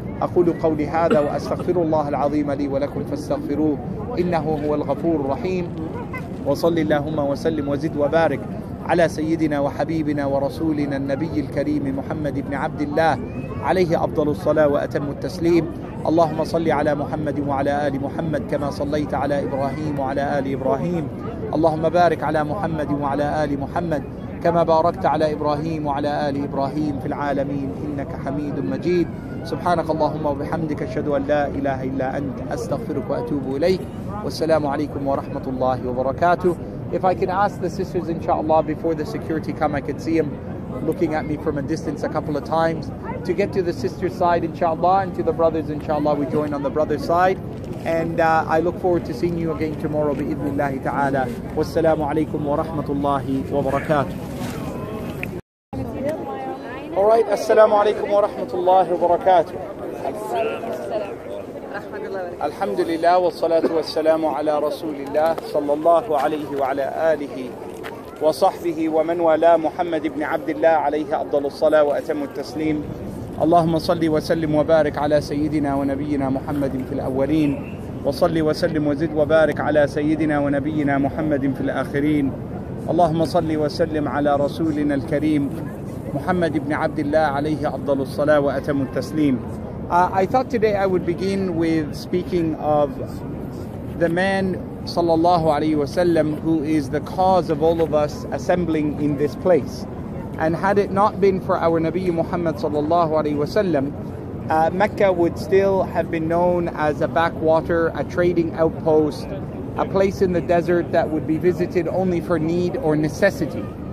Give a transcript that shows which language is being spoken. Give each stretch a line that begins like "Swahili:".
Arabic: Aqulu qawli hadha wa astaghfirullaha al-azim li wa lakum fastaghfiruhu innahu huwal ghafurur rahim wa salli allahumma wa sallim wa zid wa barik على سيدنا وحبيبنا ورسولنا النبي الكريم محمد بن عبد الله عليه أفضل الصلاة وأتم التسليم. اللهم صل على محمد وعلى آل محمد كما صليت على إبراهيم وعلى آل إبراهيم. اللهم بارك على محمد وعلى آل محمد كما باركت على إبراهيم وعلى آل إبراهيم في العالمين إنك حميد مجيد. سبحانك اللهم وبحمدك أشهد أن لا إله إلا أنت أستغفرك وأتوب إليك. والسلام عليكم ورحمة الله وبركاته.
English: If I can ask the sisters, inshallah, before the security come, I could see them looking at me from a distance a couple of times, to get to the sister's side, inshallah, and to the brothers, inshallah, we join on the brother's side. And I look forward to seeing you again tomorrow, bi-idhnillahi ta'ala.
Arabic: Wassalamu alaikum wa rahmatullahi wa barakatuh. All right, assalamu alaikum wa rahmatullahi wa barakatuh. الحمد لله والصلاة والسلام على رسول الله صلى الله عليه وعلى آله وصحبه ومن ولا محمد بن عبد الله عليه أفضل الصلاة وأتم التسليم. اللهم صل وسلم وبارك على سيدنا ونبينا محمد في الأولين، وصل وسلم وزد وبارك على سيدنا ونبينا محمد في الآخرين. اللهم صل وسلم على رسولنا الكريم محمد بن عبد الله عليه أفضل الصلاة وأتم التسليم.
English: I thought today I would begin with speaking of the man sallallahu alayhi wa sallam, who is the cause of all of us assembling in this place. And had it not been for our Nabi Muhammad sallallahu alayhi wa sallam, Mecca would still have been known as a backwater, a trading outpost, a place in the desert that would be visited only for need or necessity.